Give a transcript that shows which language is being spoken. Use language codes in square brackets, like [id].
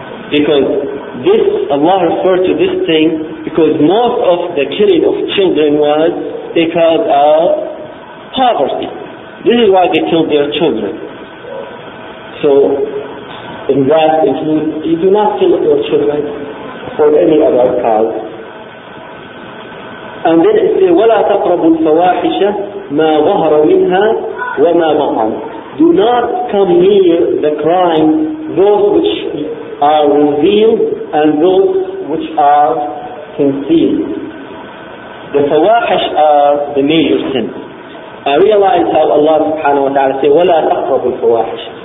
[en] Because this, Allah referred to this thing because most of the killing of children was because of poverty. This is why they killed their children. So, in that includes, you do not kill your children for any other cause. And then it says, [ar] وَلَا تَقْرَبُوا الْفَوَاحِشَ مَا ظَهَرَ مِنْهَا وَمَا بَطَنَ. [en] do not come near the crime, those which are revealed and those which are concealed. The fawahish are the major sins. I realize how Allah subhanahu wa ta'ala say, [ar] وَلَا تَقْرَبُ الْفَوَاحِشِ.